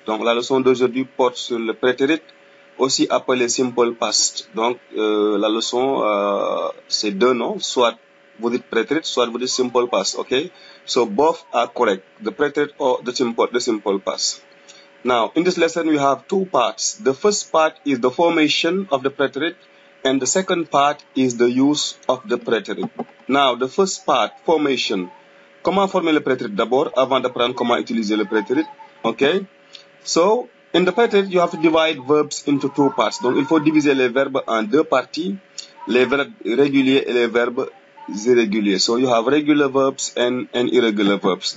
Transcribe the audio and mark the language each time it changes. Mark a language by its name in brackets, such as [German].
[French] Donc la leçon d'aujourd'hui porte sur le préterit, aussi appelé simple past. Donc la leçon, c'est deux noms, soit vous dites préterit, soit vous dites simple past, ok? [English] So both are correct, the préterit or the simple past. Now, in this lesson, we have two parts. The first part is the formation of the preterite, and the second part is the use of the preterite. Now, the first part, formation. [French] Comment former le preterite d'abord, avant d'apprendre comment utiliser le preterite? Okay? [English] So, in the preterite, you have to divide verbs into two parts. [French] Donc, il faut diviser les verbes en deux parties, les verbes réguliers et les verbes irréguliers. [English] So, you have regular verbs and irregular verbs.